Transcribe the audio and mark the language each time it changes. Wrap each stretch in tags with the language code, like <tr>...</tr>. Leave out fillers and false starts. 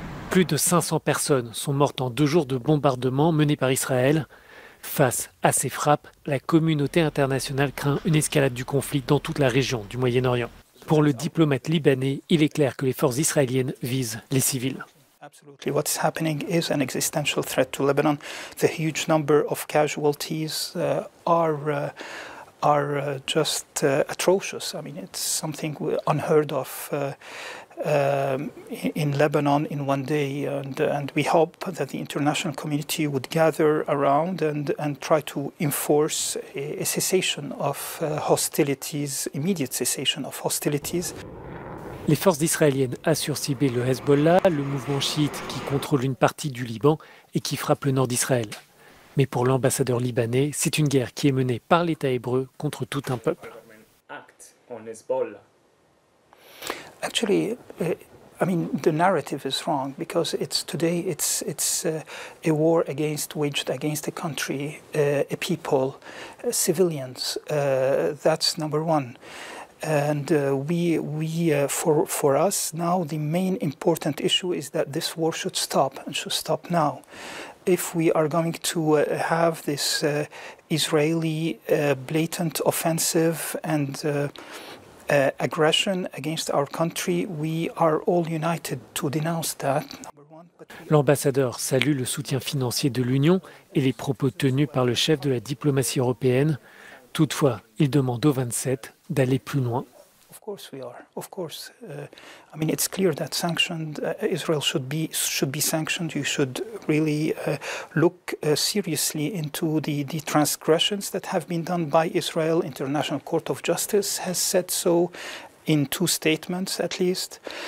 <fr>Plus de 500 personnes sont mortes en deux jours de bombardements menés par Israël. Face à ces frappes, la communauté internationale craint une escalade du conflit dans toute la région du Moyen-Orient. Pour le diplomate libanais, il est clair que les forces israéliennes visent les civils.</fr> <en>Absolutely, what is happening is an existential threat to Lebanon. The huge number of casualties are are just atrocious. I mean, it's something unheard of in Lebanon in one day. And we hope that the international community would gather around and try to enforce a cessation of hostilities, immediate cessation of hostilities.</en> <fr>Les forces israéliennes assurent cibler le Hezbollah, le mouvement chiite qui contrôle une partie du Liban et qui frappe le nord d'Israël. Mais pour l'ambassadeur libanais, c'est une guerre qui est menée par l'État hébreu contre tout un peuple.</fr> <en>Actually, I mean, the narrative is wrong because it's today it's a war against waged against a country, a people, civilians. That's number one. And for us now the main important issue is that this war should stop and should stop now. If we are going to have this Israeli blatant offensive and aggression against our country, we are all united to denounce that.</en> <fr>L'ambassadeur salue le soutien financier de l'Union et les propos tenus par le chef de la diplomatie européenne. Toutefois, il demande aux 27 d'aller plus loin.</fr> <en>Of course we are. Of course, I mean it's clear that sanctioned Israel should be sanctioned. You should really look seriously into the transgressions that have been done by Israel. International Court of Justice has said so, in two statements at least.</en>